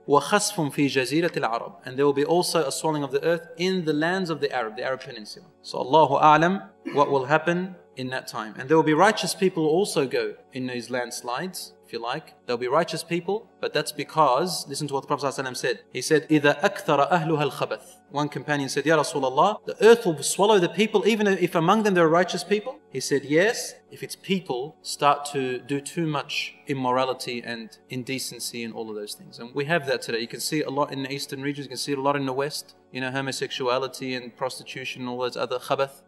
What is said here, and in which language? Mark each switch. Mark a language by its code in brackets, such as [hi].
[ar] وَخَسْفٌ فِي جَزِيرَةِ الْعَرَبِ. [en] And there will be also a swallowing of the earth in the lands of the Arab Peninsula. So Allahu A'lam, what will happen in that time. And there will be righteous people also go in these landslides, if you like. There'll be righteous people, but that's because, listen to what the Prophet ﷺ said. He said, [ar] إِذَا أَكْثَرَ أَهْلُهَا الْخَبَثِ. [en] One companion said, Ya Rasulallah, the earth will swallow the people, even if among them there are righteous people. He said, yes, if its people start to do too much immorality and indecency and all of those things. And we have that today. You can see a lot in the eastern regions, you can see it a lot in the west. You know, homosexuality and prostitution and all those other khabath.